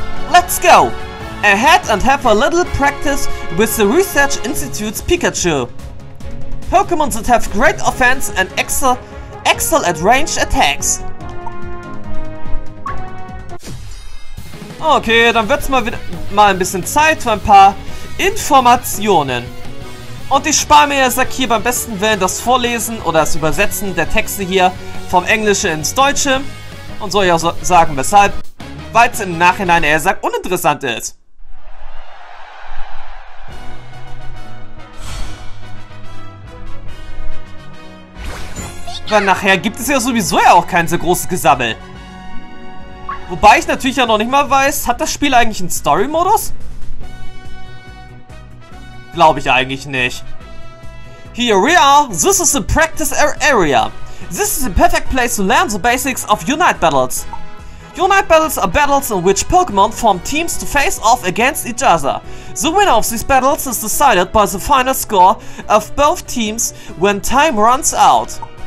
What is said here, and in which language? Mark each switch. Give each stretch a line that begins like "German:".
English: Let's go! Ahead and have a little practice with the Research Institute's Pikachu. Pokemon that have great offense and excel at ranged attacks.
German: Okay, dann wird's mal ein bisschen Zeit für ein paar Informationen. Und ich spare mir ja, sag hier beim besten Willen das Vorlesen oder das Übersetzen der Texte hier vom Englischen ins Deutsche. Und soll ja so sagen, weshalb. Weil es im Nachhinein eher sehr uninteressant ist. Weil nachher gibt es ja sowieso ja auch kein so großes Gesammel. Wobei ich natürlich ja noch nicht mal weiß, hat das Spiel eigentlich einen Story-Modus? Glaube ich eigentlich nicht.
English: Here we are, this is the practice area. This is the perfect place to learn the basics of Unite Battles. Unite battles are battles in which Pokemon form teams to face off against each other. The winner of these battles is decided by the final score of both teams when time runs out.